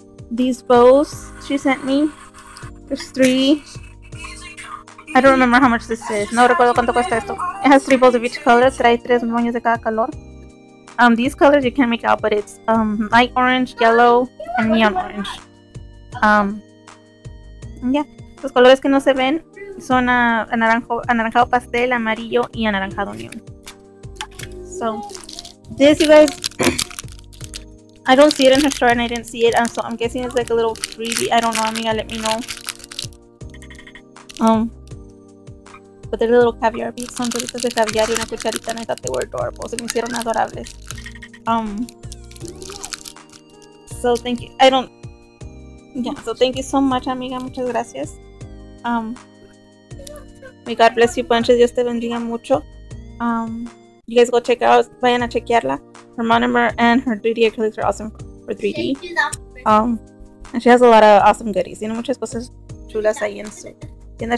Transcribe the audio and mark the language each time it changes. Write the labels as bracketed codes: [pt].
[en] These bows she sent me, there's three. I don't remember how much this is. [es] No recuerdo cuánto cuesta esto. [en] It has three bows of each color. [es] Trae tres moños de cada color. [en] These colors you can't make out, but it's light orange, yellow, and neon orange. [es] Yeah, los colores que no se ven son anaranjado pastel, amarillo, y anaranjado neon. [en] So, this, you guys, I don't see it in her store, and I didn't see it, so I'm guessing it's like a little freebie. I don't know, amiga, let me know. But they're little caviar beads. [es] Son bolitas de caviar y una cucharita, [en] and I thought they were adorable. [es] Se me hicieron adorables. [en] So thank you. So thank you so much, amiga. [es] Muchas gracias. [en] May God bless you, punches. [es] Dios te bendiga mucho. [en] You guys go check out. [es] Vayan a chequearla. [en] Her monomer and her 3D acrylics are awesome for 3D. And she has a lot of awesome goodies. [es] Tiene muchas cosas chulas ahí en su tienda.